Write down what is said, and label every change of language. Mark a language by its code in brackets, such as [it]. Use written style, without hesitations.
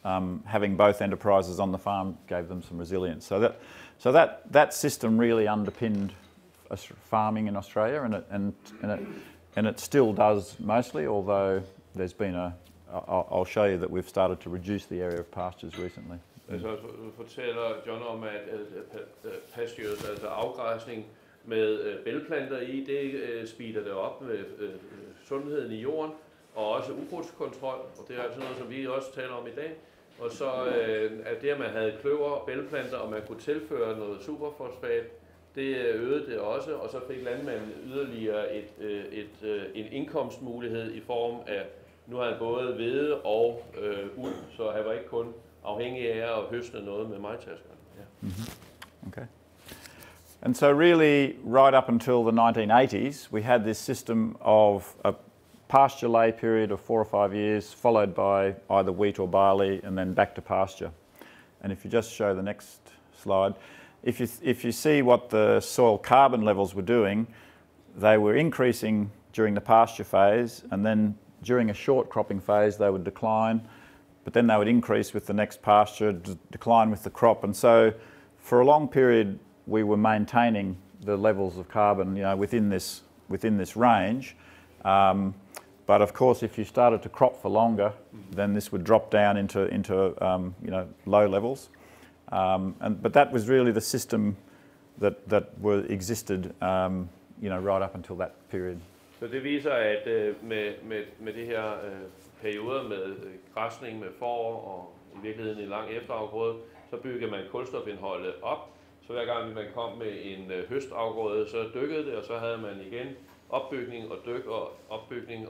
[en] Having both enterprises on the farm gave them some resilience. So that system really underpinned farming in Australia, and it still does mostly, although there's been I'll show you that we've started to reduce the area of pastures recently. [da] Så fortæller John om, at pastures, altså afgræsning med bælgplanter i, det speeder det op med sundheden i jorden, og også ukrudtskontrol, og det er altså noget, som vi også taler om i dag. Og så at det, at man havde kløver og bælgplanter, og man kunne tilføre noget superfosfat, det øgede det også, og så fik landmanden yderligere en indkomstmulighed i form af, nu har han både hvede og uld, så han var ikke kun afhængig af at høste noget med majtaskerne. Mm-hmm. Okay. [en] And so really, right up until the 1980s, we had this system of a pasture lay period of 4 or 5 years, followed by either wheat or barley, and then back to pasture. And if you just show the next slide, If you see what the soil carbon levels were doing, they were increasing during the pasture phase, and then during a short cropping phase they would decline, but then they would increase with the next pasture, decline with the crop. And so for a long period we were maintaining the levels of carbon, you know, within this range. But of course if you started to crop for longer, then this would drop down into low levels. But that was really the system that existed right up until that period. [da] Så det viser, at med det her perioder med græsning med forår og i virkeligheden i lang efterafgrøde, så bygger man kulstofindholdet op. Så hver gang man kom med en høstafgrøde, så dykkede det, og så havde man igen opbygning og dyk og opbygning.